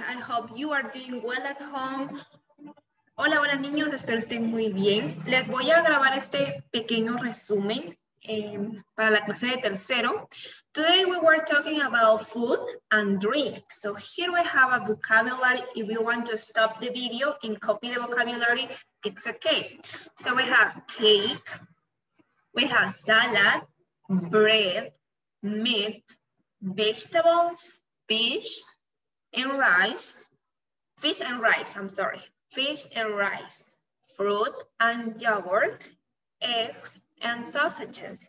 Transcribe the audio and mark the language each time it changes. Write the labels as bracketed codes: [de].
[en] I hope you are doing well at home. [es] Hola, hola niños, espero estén muy bien. Les voy a grabar este pequeño resumen para la clase de tercero. [en] Today we were talking about food and drink. So here we have a vocabulary. If you want to stop the video and copy the vocabulary, it's okay. So we have cake, we have salad, bread, meat, vegetables, fish and rice, fruit and yogurt, eggs and sausage.